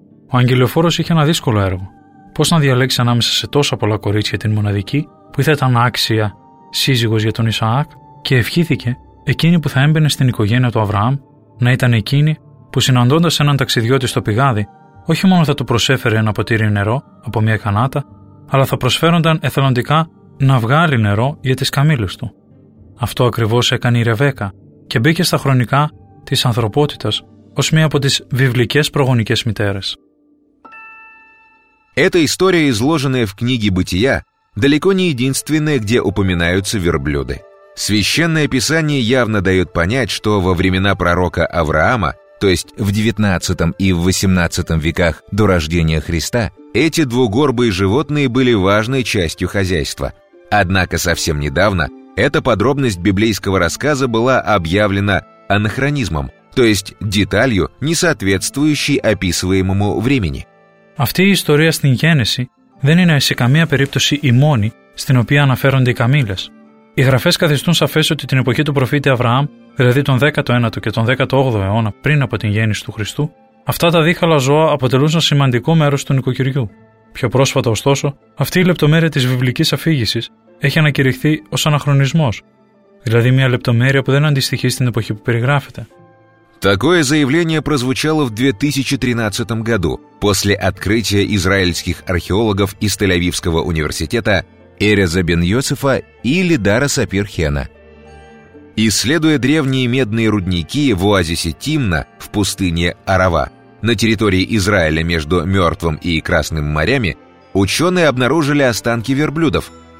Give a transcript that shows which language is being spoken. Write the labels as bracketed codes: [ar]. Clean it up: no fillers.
[el] Ο αγγελιοφόρος είχε ένα δύσκολο έργο. Πώς να διαλέξει ανάμεσα σε τόσα πολλά κορίτσια την μοναδική που ήταν άξια σύζυγος για τον Ισαάκ και ευχήθηκε εκείνη που θα έμπαινε στην οικογένεια του Αβραάμ να ήταν εκείνη που συναντώντας έναν ταξιδιώτη στο πηγάδι, όχι μόνο θα του προσέφερε ένα ποτήρι νερό από μια κανάτα, αλλά θα προσφέρονταν εθελοντικά να βγάλει νερό για τις καμήλες του. Αυτό ακριβώς έκανε η Ρεβέκα και μπήκε στα χρονικά της ανθρωπότητας ως μία από τις βιβλικές προγονικές μητέρες. [ru] Эта история, изложенная в книге Бытия, далеко не единственная, где упоминаются верблюды. Священное Писание явно дает понять, что во времена пророка Авраама, то есть в 19 и 18 веках до рождения Христа, эти двугорбые животные были важной частью хозяйства. Однако совсем недавно эта подробность библейского рассказа была объявлена анахронизмом, то есть деталью, не соответствующей описываемому времени. [el] Αυτή η ιστορία στην Γένεση δεν είναι σε καμία περίπτωση η μόνη στην οποία αναφέρονται οι καμήλες. Οι γραφές καθιστούν σαφές ότι την εποχή του προφήτη Αβραάμ, δηλαδή τον 19ο και τον 18ο αιώνα πριν από την γέννηση του Χριστού, αυτά τα δίχαλα ζώα αποτελούσαν σημαντικό μέρος του νοικοκυριού. Πιο πρόσφατα, ωστόσο, αυτή η λεπτομέρεια της βιβλικής αφήγησης έχει ανακηρυχθεί ως αναχρονισμός, δηλαδή μια λεπτομέρεια που δεν αντιστοιχεί στην εποχή που περιγράφεται. [ru] Такое заявление прозвучало в 2013 году после открытия израильских археологов из Тель-Авивского университета Эреза бен Йосефа и Лидара Сапир-Хена. Исследуя древние медные рудники в оазисе Тимна в пустыне Арава на территории Израиля между Мертвым и Красным морями, ученые обнаружили останки верблюдов.